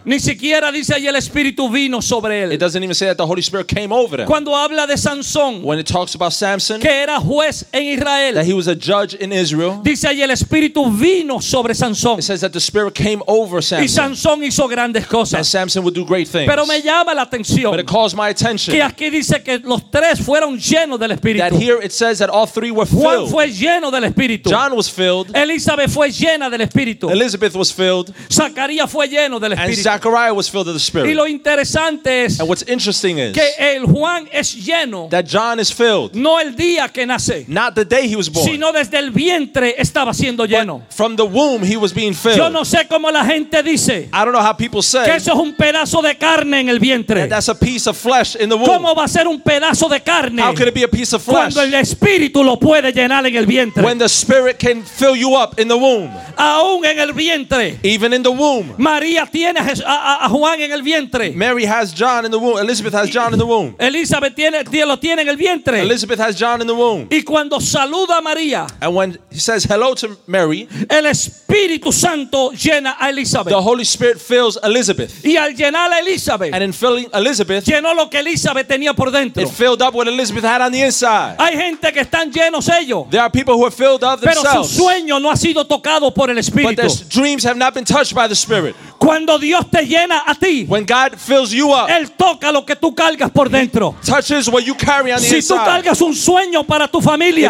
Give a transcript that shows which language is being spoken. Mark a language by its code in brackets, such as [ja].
[es] Ni siquiera dice que el Espíritu vino sobre él. [en] It doesn't even say that the Holy Spirit came over him. [es] Cuando habla de Sansón, [en] when it talks about Samson, [es] que era juez en Israel, [en] that he was a judge in Israel, [es] dice que el Espíritu vino sobre Sansón. [en] It says that the Spirit came over Samson. [es] Y Sansón hizo grandes cosas. [en] And Samson would do great things. [es] Pero me llama la atención. [en] But it calls my attention. [es] Que aquí dice que los tres fueron llenos del Espíritu. [en] That here it says that all three were filled. [es] Juan fue lleno del Espíritu. [en] John was filled. [es] Elizabeth fue llena del Espíritu. [en] Elizabeth was filled. [es] Zacarías fue lleno del Espíritu. [en] And Zachariah was filled with the Spirit. [es] Y lo interesante es, [en] and what's interesting is [es] que el Juan es lleno, [en] that John is filled. [es] No el día que nace, [en] not the day he was born, [es] sino desde el vientre estaba siendo lleno. [en] But from the womb he was being filled. [es] Yo no sé cómo la gente dice, [en] I don't know how people say, [es] que eso es un pedazo de carne en el vientre. [en] That that's a piece of flesh in the womb. [es] ¿Cómo va a ser un pedazo de carne? [en] How could it be a piece of flesh? [es] Cuando el Espíritu lo puede llenar en el vientre. [en] When the Spirit can fill you up in the womb. [es] Aún en el vientre. [en] Even in the womb. [es] María tiene a Juan en el vientre. [en] Mary has John in the womb. Elizabeth has John in the womb. [es] Elizabeth lo tiene en el vientre. [en] Elizabeth has John in the womb. [es] Y cuando saluda a María, [en] and when he says hello to Mary, [es] el Espíritu Santo llena a Elizabeth. [en] The Holy Spirit fills Elizabeth. [es] Y al llenar a Elizabeth, [en] and in filling Elizabeth, [es] llenó lo que Elizabeth tenía por dentro. [en] It filled up what Elizabeth had on the inside. [es] Hay gente que están llenos ellos. [en] There are people who are filled up themselves. [es] Pero su sueño no ha sido tocado por el Espíritu. [en] But their dreams have not been touched by the Spirit. [es] Cuando Dios te llena a ti, [en] when God fills you up, [es] Él toca lo que tú cargas por dentro. [en] He touches what you carry on the [es] si [en] inside. [es] Si tú cargas un sueño para tu familia,